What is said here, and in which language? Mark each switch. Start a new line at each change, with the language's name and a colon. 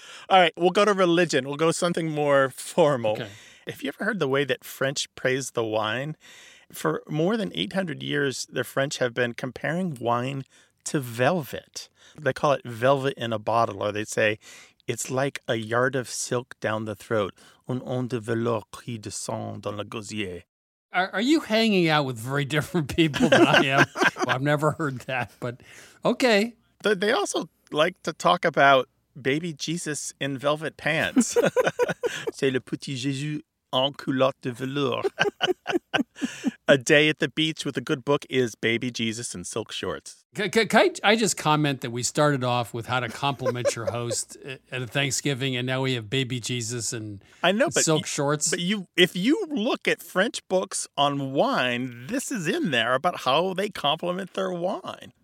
English: All right. We'll go to religion. We'll go something more formal. Okay. Have you ever heard the way that French praise the wine? For more than 800 years, the French have been comparing wine to velvet. They call it velvet in a bottle, or they say it's like a yard of silk down the throat.
French: Un on de velours qui descend dans le gosier.
English: Are you hanging out with very different people than I am? Well, I've never heard that, but okay. They also like to talk about baby Jesus in velvet pants.
French: C'est le petit Jésus en culotte de velours.
English: A day at the beach with a good book is baby Jesus in silk shorts. Can I just comment that we started off with how to compliment your host at a Thanksgiving, and now we have baby Jesus and silk shorts. But if you look at French books on wine, this is in there about how they compliment their wine.